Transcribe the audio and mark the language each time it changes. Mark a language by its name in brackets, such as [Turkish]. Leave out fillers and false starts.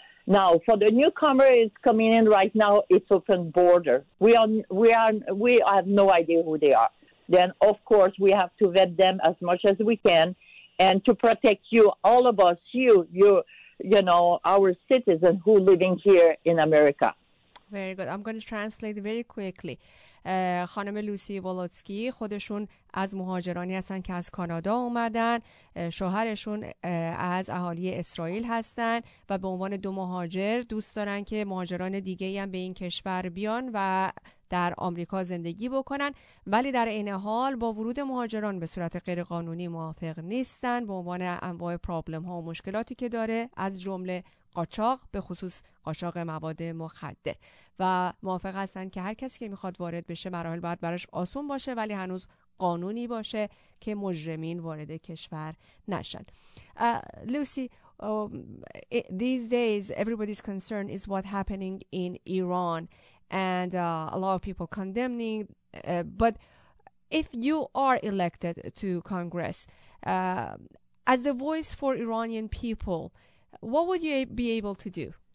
[English] Now, for the newcomer is coming in right now, it's open border. We have no idea who they are. then of course we have to vet them as much as we can, and to protect you, all of us, you know, our citizens who are living here in America. Very good. I'm going to translate very quickly. [Persian] خانم لوسی ولوتسکی خودشون از مهاجرانی هستن که از کانادا اومدن، شوهرشون از اهالی اسرائیل هستن و به عنوان دو مهاجر دوست دارن که مهاجران دیگه هم به این کشور بیان و در آمریکا زندگی بکنن، ولی در این حال با ورود مهاجران به صورت غیرقانونی موافق نیستن به عنوان انواع پرابلم ها و مشکلاتی که داره، از جمله قاچاق، به خصوص قاچاق مواد مخدر، و موافق هستن که هر کسی که میخواد وارد بشه مراحل باید براش آسون باشه ولی هنوز قانونی باشه که مجرمین وارد کشور نشن. [English] Lucy, these days everybody's concern is what happening in Iran and a lot of people condemning, but if you are elected to Congress as a voice for Iranian people, what would you be able to do?